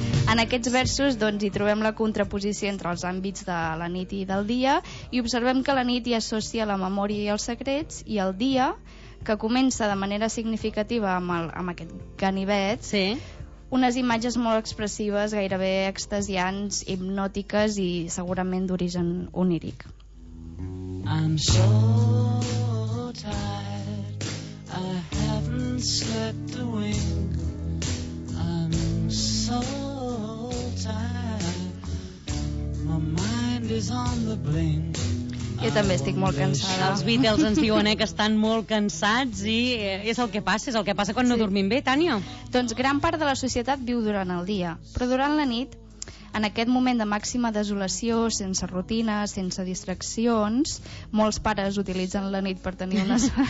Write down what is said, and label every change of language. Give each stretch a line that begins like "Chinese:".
Catalan: En aquests versos doncs, hi trobem la contraposició entre els àmbits de la nit i del dia i observem que la nit hi associa la memòria i els secrets i el dia, que comença de manera significativa amb aquest ganivet, sí. Unes imatges molt expressives, gairebé extasiants, hipnòtiques i segurament d'origen oníric.
English: I'm so tired, I haven't slept a wink. I'm so tired, my mind is on the blink.
Catalan: Jo també estic molt cansada. Els Beatles ens diuen que estan molt cansats i és el que passa quan sí. No dormim bé, Tània. Doncs gran part de la societat viu durant el dia, però durant la nit, en aquest moment de màxima desolació, sense rutina, sense distraccions, molts pares utilitzen la nit per tenir unes...